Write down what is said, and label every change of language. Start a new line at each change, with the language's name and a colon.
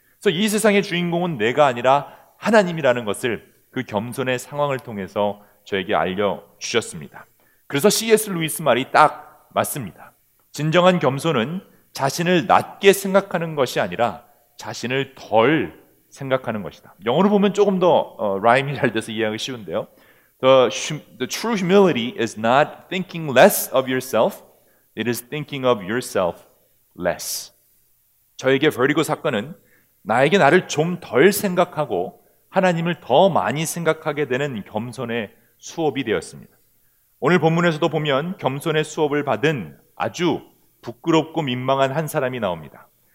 Korean: 그래서 이 세상의 주인공은 내가 아니라 하나님이라는 것을 그 겸손의 상황을 통해서 저에게 알려주셨습니다. 그래서 C.S. 루이스 말이 딱 맞습니다. 진정한 겸손은 자신을 낮게 생각하는 것이 아니라 자신을 덜 생각하는 것이다. 영어로 보면 조금 더 라임이 잘 돼서 이해하기 쉬운데요.
English: The true humility is not thinking less of yourself. It is thinking of yourself less.
Korean: 저에게 버리고 사건은 나에게 나를 좀 덜 생각하고 하나님을 더 많이 생각하게 되는 겸손의 수업이 되었습니다. 오늘 본문에서도 보면 겸손의 수업을 받은 아주 부끄럽고 민망한 한 사람이 나옵니다.